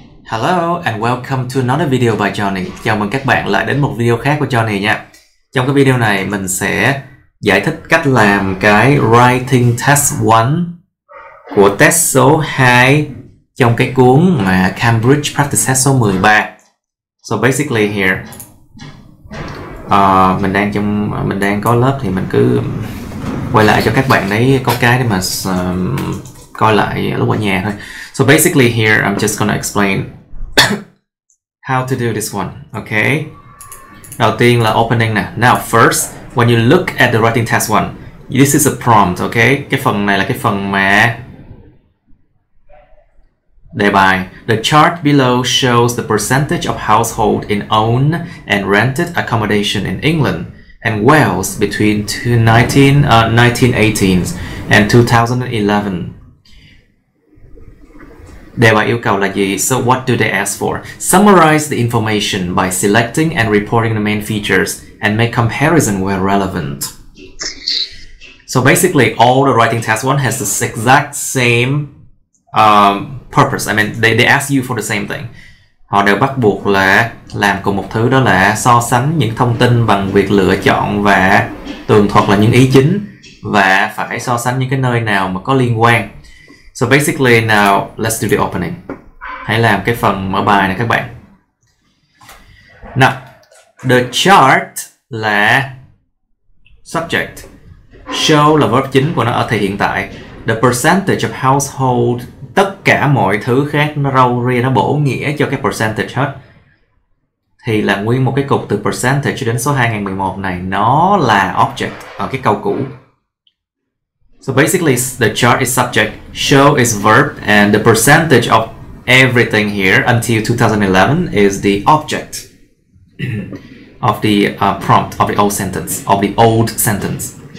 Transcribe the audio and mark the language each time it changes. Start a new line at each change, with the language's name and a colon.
English: Hello and welcome to another video by Johnny.
Vietnamese: Chào mừng các bạn lại đến một video khác của Johnny nha. Trong cái video này mình sẽ giải thích cách làm cái writing test 1 của test số 2 trong cái cuốn mà Cambridge Practice Test số 13.
English: So basically here
Vietnamese: mình đang có lớp thì mình cứ quay lại cho các bạn đấy có cái để mà coi lại lúc ở nhà thôi.
English: So basically here I'm just gonna explain how to do this one, okay?
Vietnamese: Đầu tiên là opening nè.
English: Now first, when you look at the writing test one, this is a prompt, okay?
Vietnamese: Cái phần này là cái phần mà đề bài.
English: The chart below shows the percentage of household in owned and rented accommodation in England and Wales between 1918 and 2011.
Vietnamese: Đề bài yêu cầu là gì?
English: So what do they ask for? Summarize the information by selecting and reporting the main features and make comparison where relevant. So basically, all the writing test one has the exact same purpose. I mean, they ask you for the same thing.
Vietnamese: Họ đều bắt buộc là làm cùng một thứ, đó là so sánh những thông tin bằng việc lựa chọn và tường thuật là những ý chính, và phải so sánh những cái nơi nào mà có liên quan.
English: So basically now, let's do the opening.
Vietnamese: Hãy làm cái phần mở bài này các bạn.
English: Now, the chart là subject.
Vietnamese: Show là verb chính của nó ở thể hiện tại.
English: The percentage of household,
Vietnamese: tất cả mọi thứ khác nó râu ria, nó bổ nghĩa cho cái percentage hết. Thì là nguyên một cái cục từ percentage đến số 2011 này, nó là object ở cái câu cũ.
English: So basically, the chart is subject, show is verb, and the percentage of everything here until 2011 is the object of the prompt of the old sentence, of the old sentence.